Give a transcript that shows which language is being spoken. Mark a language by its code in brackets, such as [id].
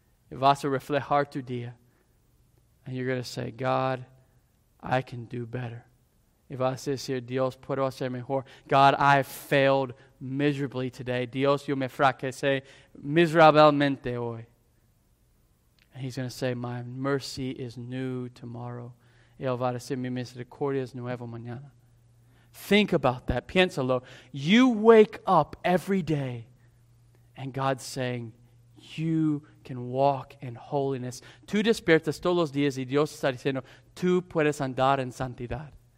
[es] Vas a reflejar tu día. [en] And you're going to say, God, I can do better. [es] Vas a decir, Dios, puedo hacer mejor. [en] God, I failed miserably today. [es] Dios, yo me fracasé miserablemente hoy. [en] And He's going to say, my mercy is new tomorrow. [es] Él va a decir, mi misericordia es nueva mañana. [en] Think about that. [es] Piénsalo. [en] You wake up every day and God's saying, you can walk in holiness. [es] Tú despiertas todos los días y Dios está diciendo, tú puedes andar en santidad.